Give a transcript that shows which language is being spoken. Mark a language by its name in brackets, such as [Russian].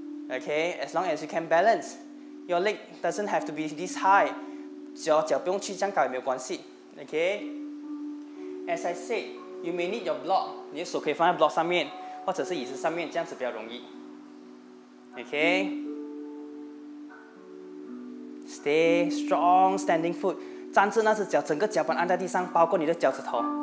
[English] Okay, as long as you can balance, your leg doesn't have to be this high. [Chinese] 脚不用去这样高也没有关系。 [English] Okay, as I said, you may need your block. [Chinese] 你的手可以放在 block 上面，或者是椅子上面，这样子比较容易。 [English] Okay. Stay strong, standing foot. [Chinese] 站着那只脚，整个脚板按在地上，包括你的脚趾头。